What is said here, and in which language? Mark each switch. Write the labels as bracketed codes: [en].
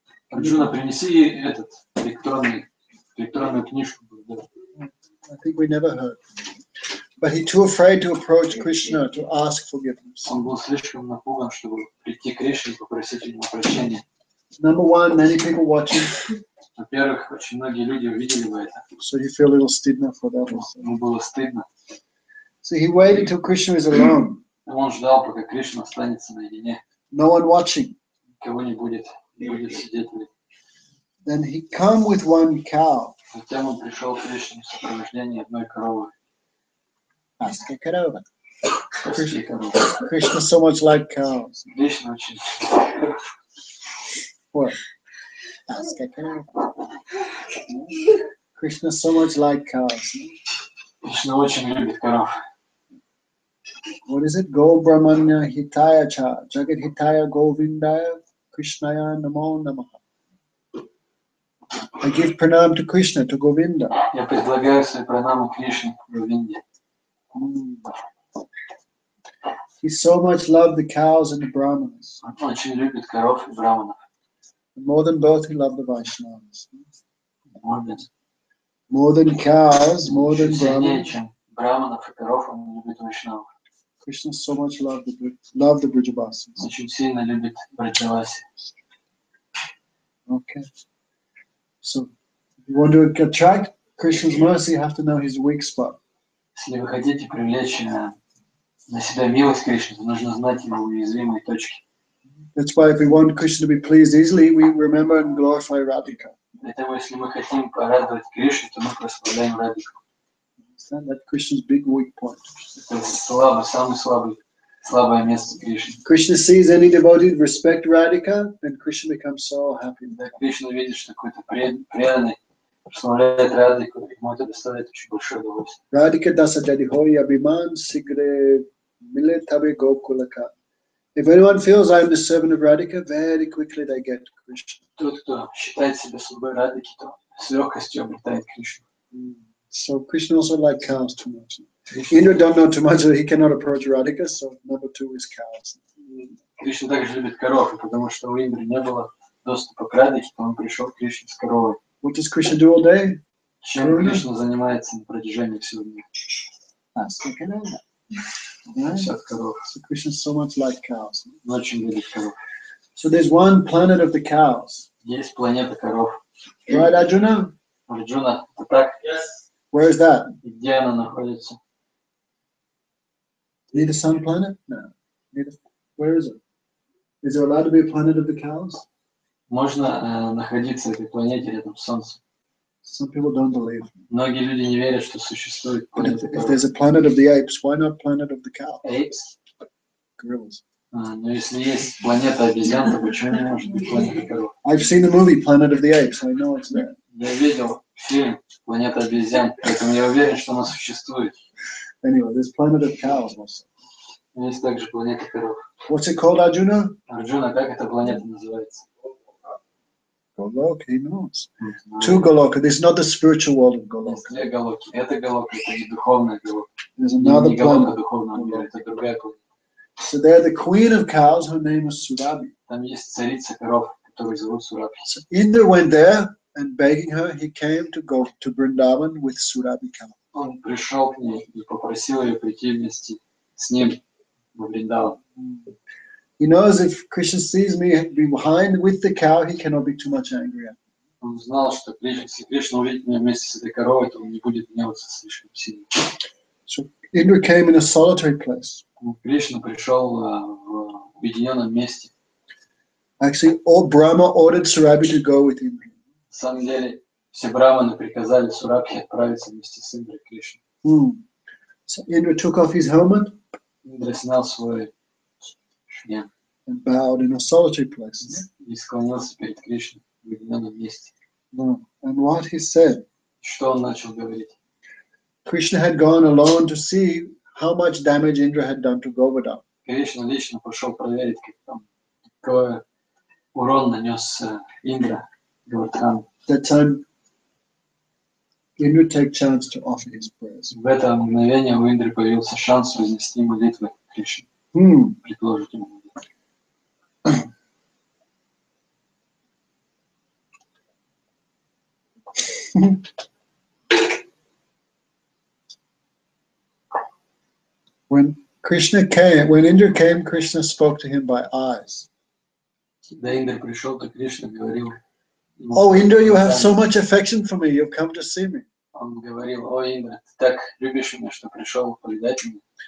[ru] Арджуна, принеси этот электронную книжку. [en] I think we never heard. But he too afraid to approach Krishna to ask forgiveness. [ru] Он был слишком напуган, чтобы прийти к Кришне и попросить у него прощения. [en] Number one, many people watching. [ru] Во-первых, очень многие люди увидели бы это. [en] So you feel a little stidna for that. [ru] Ему было стыдно. [en] So he waited till Krishna was alone. [ru] Он ждал, пока Кришна останется наедине. [en] No one watching. [ru] Никого не будет. [en] Then he came with one cow. [ru] Затем он пришел к Кришне в сопровождении одной коровы. Аска корова. Аска корова. [en] Кришна so much like cows. [ru] Кришна очень. [en] What? [ru] Аска корова. [en] Кришна so much like cows. [ru] Кришна очень любит коров. [en] What is it? [sa] Go Brahmanya Hitaya Cha Jagat Hitaya Govindaya. Krishnaya Namo Namaha. [en] I give pranam to Krishna, to Govinda. [ru] Я предлагаю свой пранам Кришне, Говинде. [en] He so much loved the cows and the Brahmanas. Он очень любит коров и Брахманов. More than both, he loved the Vaishnavas. More than cows, more than Brahmanas. [ru] Сильнее, чем браманов и коров он любит вишнав. [en] Кришна so much loved the Бриджабасис. [ru] Очень сильно любит Бриджаваси. [en] Okay. So, if you want to attract Krishna's mercy, you have to know his weak spot. [ru] Если вы хотите привлечь на себя милость Кришны, то нужно знать его уязвимые точки. [en] That's why if we want Krishna to be pleased easily, we remember and glorify Radhika. [ru] Поэтому, если мы хотим порадовать Кришну, то мы прославляем Радхику. [en] Understand that Krishna's big weak point. [ru] Это слабое, самое слабое место Кришны. [en] Krishna sees any devotee respect Radhika, and Krishna becomes so happy. [ru] Да, Кришна видит, что какой-то преданный прославляет Радхику, ему это доставляет очень большое удовольствие. [bn] Radhika dasa dehoi abhiman sigre mile tabe gokulaka. [en] If anyone feels I am the servant of Radhika, very quickly they get Krishna. [ru] Тот, кто считает себя слугой Радхики, то с легкостью обретает Кришну. [en] So Krishna also likes cows too much. Indra don't know too much that he cannot approach Radhika, so number two is cows. [ru] Krishna также любит коров, потому что у Индры не было доступа к Радхике, то он пришел к Кришне с коровой. [en] What does Krishna do all day? [ru] Чем Krishna? Krishna занимается на протяжении всего дня? [en] So Krishna so much like cows. [ru] Очень любит коров. [en] So there's one planet of the cows. [ru] Есть планета коров. [en] Right, Arjuna? [ru] Arjuna, это так? [en] Yes. Where is that? [ru] Где она находится? [en] Near the sun planet? No. Where is it? Is there allowed to be a planet of the cows? [ru] Можно находиться в этой планете рядом с солнцем. [en] Some people don't believe. [ru] Многие люди не верят, что существует планета. [en] If there's a planet of the apes, why not planet of the cows? Apes? Gorillas. [ru] Но если есть планета обезьян, то почему не может быть планета коров? [en] I've seen the movie Planet of the Apes. I know it's there. [ru] Я видел фильм «Планета обезьян», поэтому я уверен, что она существует. [en] Anyway, there's planet of cows also. [ru] Есть также планета коров. [en] What's it called, Arjuna? [ru] Arjuna, как эта планета называется? [en] Голок, he knows. Two Голока, this is not the spiritual world of Голока. [ru] Две Голоки, это Голока, это не духовная Голока. [en] There's another [ru] не Голока духовного мира, это другая Голока. [en] So they're the queen of cows, her name is Surabhi. [ru] Там есть царица коров, которую зовут Сурабхи. [en] So Indra went there, and begging her, he came to go to Vrindavan with Surabhi cow. [ru] Он пришел к ней и попросил ее прийти вместе с ним в Вриндаван. [en] He knows if Krishna sees me behind with the cow, he cannot be too much angry at me. [ru] Он знал, что если Кришна увидит меня вместе с этой коровой, то он не будет гневаться слишком сильно. [en] So Indra came in a solitary place. [ru] Кришна пришел в уединенном месте. [en] Actually, all Brahma ordered Surabhi to go with him. [ru] На самом деле, все браманы приказали Сурабхи отправиться вместе с Индрой Кришной. [en] So Indra took off his helmet. [ru] Индра снял свой шлем. [en] And bowed in a solitary place. [ru] И склонился перед Кришной в уединенном месте. [en] And what he said? [ru] Что он начал говорить? [en] Krishna had gone alone to see how much damage Indra had done to Govardhan. [ru] Кришна лично пошел проверить, какой урон нанес Индра. [en] That time, Indra took chance to offer his prayers. [ru] В это мгновение у Индры появился шанс вознести молитвы Кришне. Предложить ему. [en] When Indra came, Krishna spoke to him by eyes. [ru] Когда Индра пришел, то Кришна говорил. [en] Oh, Indra, you have so much affection for me. You've come to see me. [ru] Он говорил: О, Индра, ты так любишь меня, что пришел повидать меня.